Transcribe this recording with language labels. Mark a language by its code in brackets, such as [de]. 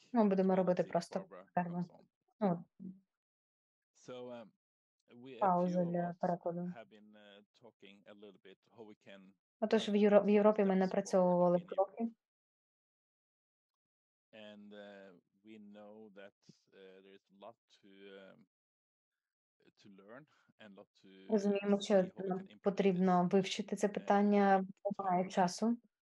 [uk] Ми будемо робити просто перерву. [en] So we [uk] для перекладу. [en] Have been talking a little bit how we can. [uk] Отож, в Європі ми напрацьовували кроки. [en] And we know that there is a lot to learn. [uk] Розуміємо, що потрібно вивчити це питання, немає часу.